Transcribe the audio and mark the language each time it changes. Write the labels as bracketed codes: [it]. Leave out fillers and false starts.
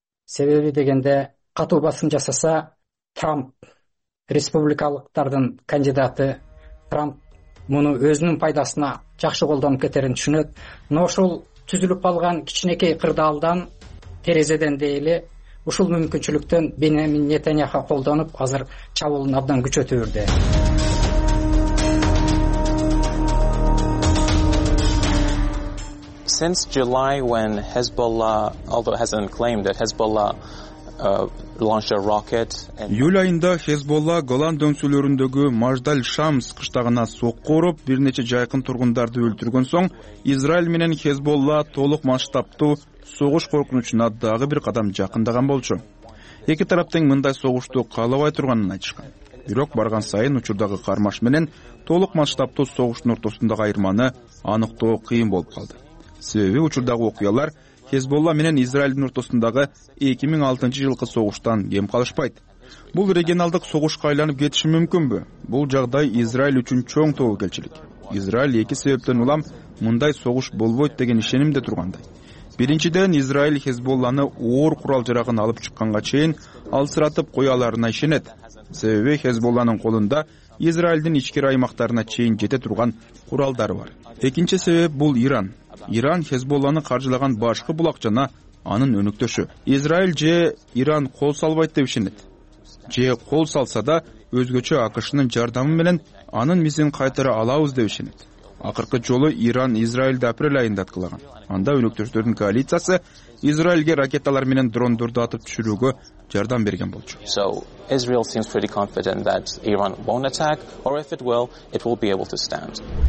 [ky] Себеби дегенде катуу басым жасаса Трамп республикалыктардын кандидаты Трамп муну өзүнүн пайдасына жакшы колдонуп кетерин түшүнөт. Мына ошол түзүлүп калган кичинекей кырдаалдан, терезеден дейли, ушул мүмкүнчүлүктөн Бенямин Нетаньяху колдонуп азыр чабуулун абдан күчөтүрдү. [en] Since July, when Hezbollah, although it hasn't claimed that Hezbollah launched a rocket. [ky] Июль айында Хезболла Голан дөңсөлөрүндөгү Маждаль-Шамс кыштагына сокку уруп, бир нече жакын тургундарды өлтүргөн соң, Израиль менен Хезболла толук масштабтуу согуш коркунучуна дагы бир кадам жакындаган болчу. Эки тарап тең мындай согушту каалабай турганын айтышкан. Бирок барган сайын учурдагы кармаш менен толук масштабтуу согуштун ортосундагы айырманы аныктоо кыйын болуп калды. Себеби учурдагы окуялар Хезболла менен Израилдин ортосундагы 2006 жылкы согуштан кем калышпайт. Бул регионалдык согушка айланып кетиши мүмкүнбү? Бул жагдай Израиль үчүн чоң тобокелчилик. Израиль эки себептен улам мындай согуш болбойт деген ишенимде тургандай. Биринчиден, Израиль Хезболланы оор курал жарагын алып чыкканга чейин алсыратып кояларына ишенет. Себеби Хезболланын колунда Израилдин ичкери аймактарына чейин жете турган куралдар бар. Экинчи себеп бул Иран. Иран Хезболланы каржылаган башкы булак жана анын өнүктөшү. Израиль же Иран кол салбайт деп ишенет. Же кол салса да өзгөчө АКШнын жардамы менен анын мизин кайтара алабыз деп ишенет. Акыркы жолу Иран Израилди апрель айында аткылаган. Анда өнүктөштөрдүн коалициясы Израилге ракеталар менен дрондорду атып түшүрүүгө жардам берген болчу. [en] So Israel seems pretty confident that Iran won't attack, or if it will, it will be able to stand.